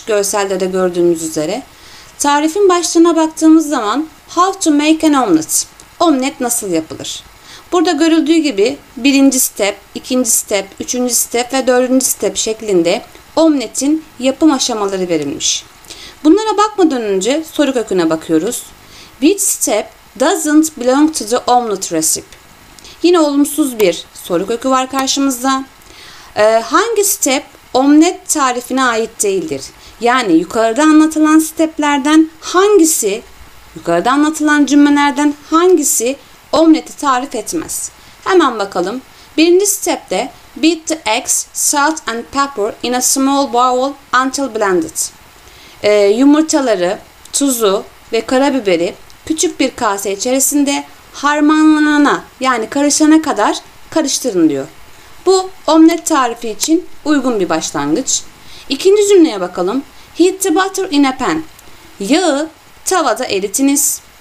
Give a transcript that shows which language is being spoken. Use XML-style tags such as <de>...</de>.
<tr>Görselde de gördüğünüz üzere. Tarifin başlığına baktığımız zaman</tr> <en>How to make an omelet.</en> <tr>Omlet nasıl yapılır? Burada görüldüğü gibi birinci step, ikinci step, üçüncü step ve dördüncü step şeklinde omletin yapım aşamaları verilmiş. Bunlara bakmadan önce soru köküne bakıyoruz.</tr> <en>Which step doesn't belong to the omelet recipe?</en> <tr>Yine olumsuz bir soru kökü var karşımızda. Hangi step omlet tarifine ait değildir? Yani yukarıda anlatılan steplerden hangisi, yukarıda anlatılan cümlelerden hangisi omleti tarif etmez? Hemen bakalım. Birinci stepte</tr> <en>beat the eggs, salt and pepper in a small bowl until blended.</en> <tr>Yumurtaları, tuzu ve karabiberi küçük bir kase içerisinde harmanlanana, yani karışana kadar karıştırın diyor. Bu omlet tarifi için uygun bir başlangıç. İkinci cümleye bakalım.</tr> <en>Heat the butter in a pan.</en> <tr>Yağı tavada eritiniz.</tr>